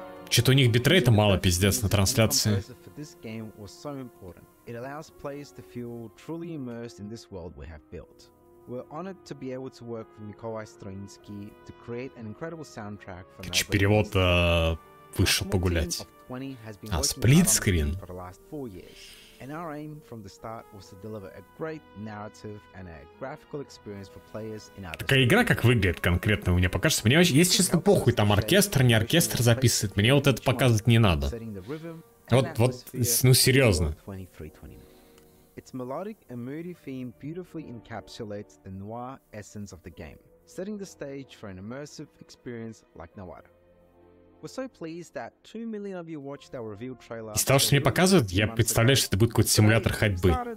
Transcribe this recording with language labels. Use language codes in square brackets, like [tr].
[ru] Что-то у них битрейта мало, пиздец, на трансляции. Короче, перевод вышел погулять. А, сплит-скрин? [en] And our aim from the start was to deliver a great narrative and a graphical experience for players in our. [ru] Такая игра как выглядит конкретно, мне покажется. Мне вообще, если честно, похуй, там оркестр, не оркестр записывает. Мне вот это показывать не надо. Вот, ну серьезно. [en] Its melodic and moody theme beautifully encapsulates the noir essence of the game, setting the stage for an immersive experience like no other. We're so pleased that 2 million of you watched our reveal trailer. [ru] Из того, что мне показывают, я представляю, что это будет какой-то симулятор ходьбы.